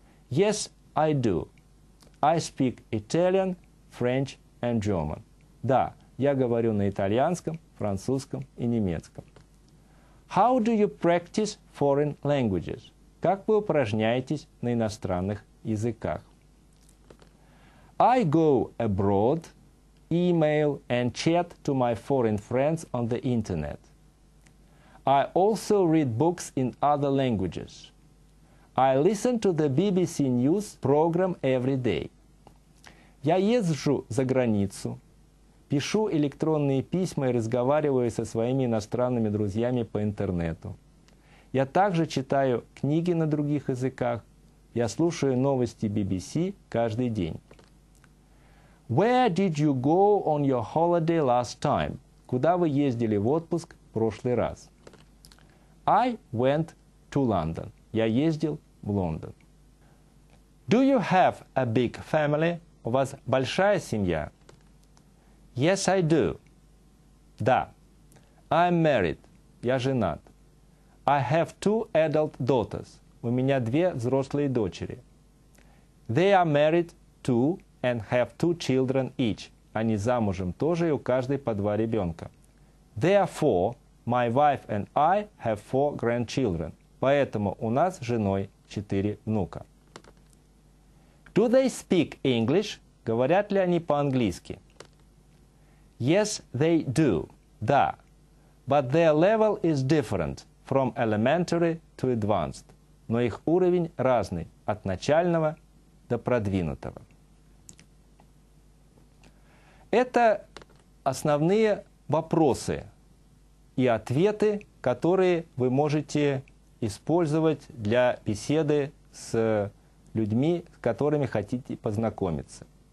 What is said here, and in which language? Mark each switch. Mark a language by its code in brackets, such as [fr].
[en] Yes, I do. I speak Italian, French and German. [ru] Да, я говорю на итальянском, французском и немецком. [en] How do you practice foreign languages? [ru] Как вы упражняетесь на иностранных языках? [en] I go abroad, email and chat to my foreign friends on the internet. I also read books in other languages. I listen to the BBC News program every day. [ru] Я езжу за границу. Пишу электронные письма и разговариваю со своими иностранными друзьями по интернету. Я также читаю книги на других языках. Я слушаю новости BBC каждый день. [en] Where did you go on your holiday last time? [ru] Куда вы ездили в отпуск в прошлый раз? [en] I went to London. [ru] Я ездил в Лондон. [en] Do you have a big family? [ru] У вас большая семья? [en] Yes, I do. [ru] Да. [en] I'm married. [ru] Я женат. [en] I have two adult daughters. [ru] У меня две взрослые дочери. [en] They are married too and have two children each. [ru] Они замужем тоже и у каждой по два ребенка. [en] Therefore, my wife and I have four grandchildren. [ru] Поэтому у нас с женой четыре внука. [en] Do they speak English? [ru] Говорят ли они по-английски? [en] Yes, they do. [ru] Да. [en] But their level is different from elementary to advanced. [ru] Но их уровень разный от начального до продвинутого. Это основные вопросы и ответы, которые вы можете использовать для беседы с людьми, с которыми хотите познакомиться.